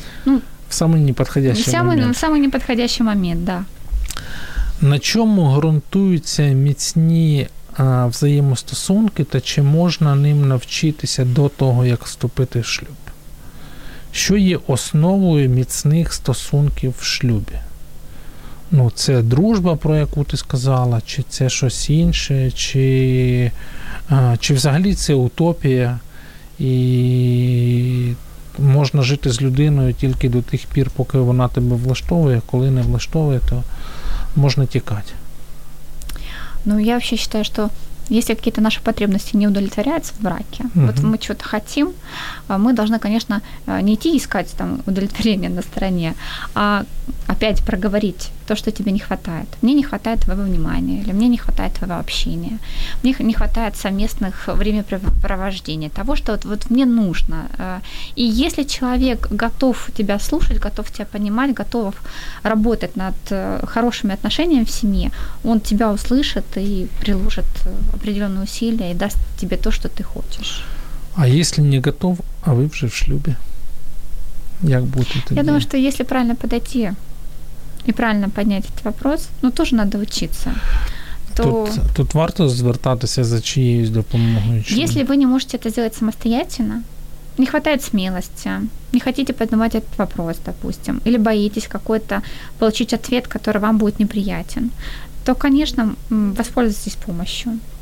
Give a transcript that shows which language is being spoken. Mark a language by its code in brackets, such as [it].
[ru] Ну, в самий неподходящий момент. В самий неподходящий момент, да. [uk] На чому ґрунтуються міцні взаємостосунки, та чи можна ним навчитися до того, як вступити в шлюб? Що є основою міцних стосунків в шлюбі? Ну, це дружба, про яку ти сказала, чи це щось інше, чи взагалі це утопія, і можна жити з людиною тільки до тих пір, поки вона тебе влаштовує, коли не влаштовує, то можна тікати. [ru] Ну, я вообще считаю, что если какие-то наши потребности не удовлетворяются в браке, вот мы чего-то хотим, мы должны, конечно, не идти искать там удовлетворение на стороне, а опять проговорить то, что тебе не хватает. Мне не хватает твоего внимания, или мне не хватает твоего общения, мне не хватает совместных времяпровождений, того, что вот мне нужно. И если человек готов тебя слушать, готов тебя понимать, готов работать над хорошими отношениями в семье, он тебя услышит и приложит определенные усилия и даст тебе то, что ты хочешь. [uk] А если не готов, а вы уже в шлюбе? Як бути тоді? Я думаю, що якщо правильно підійти і правильно підняти цей вопрос, ну, теж треба вчитися. Тут варто звертатися за чиєюсь допомогою? Якщо ви не можете це зробити самостійно, не вистачає смілості, не хочете піднімати цей вопрос, допустим, або боїтесь какой-то отримати відповідь, який вам буде неприятен, то, звісно, використовуйтесь допомогою.